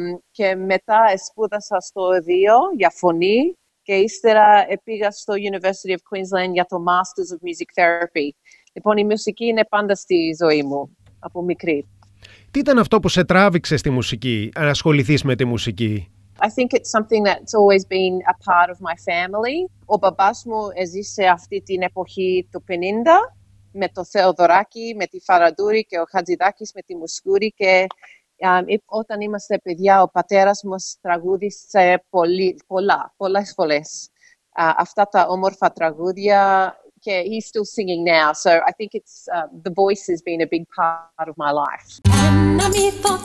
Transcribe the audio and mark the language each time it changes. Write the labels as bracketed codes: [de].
[el] Και μετά σπούδασα στο ΟΔΙΟ για φωνή και ύστερα πήγα στο University of Queensland για το Masters of Music Therapy. Λοιπόν, η μουσική είναι πάντα στη ζωή μου από μικρή. Τι ήταν αυτό που σε τράβηξε στη μουσική, αν ασχοληθείς με τη μουσική? [en] I think it's something that's always been a part of my family. [el] Ο μπαμπάς μου έζησε αυτή την εποχή του 50 με το Θεοδωράκη, με τη Φαραντούρη και ο Χατζηδάκης με τη Μουσκούρη και όταν είμαστε παιδιά ο πατέρας μας τραγούδησε πολλές φορές αυτά τα όμορφα τραγούδια και [en] he's still singing now. So I think it's the voice has been a big part of my life.